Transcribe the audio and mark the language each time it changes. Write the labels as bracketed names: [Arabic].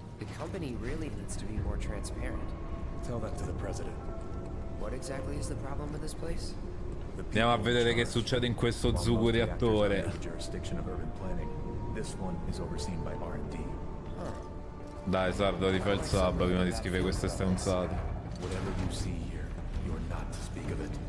[English] The company really needs to be more transparent. Tell that to the president. What exactly is the problem with this place? [Italian] Andiamo a vedere che succede in questo zoo reattore. [English] Jurisdiction of urban planning. This one is overseen by R&D. [Italian] Dai, Sardo, rifà il sub prima di scrivere queste stronzate. [English] Whatever you see here, you're not to speak of it.